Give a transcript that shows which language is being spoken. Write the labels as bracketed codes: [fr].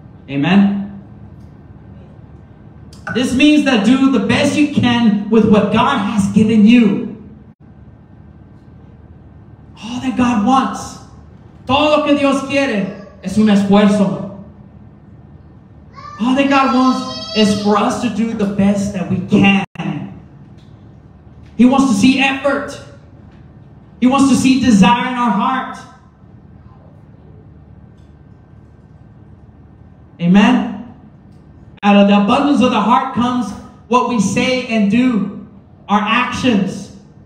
[en] Amen. This means that do the best you can with what God has given you. All that God wants. [es] Todo lo que Dios quiere es un esfuerzo. [en] All that God wants is for us to do the best that we can. He wants to see effort. He wants to see desire in our heart. Amen. Out of the abundance of the heart comes what we say and do, our actions.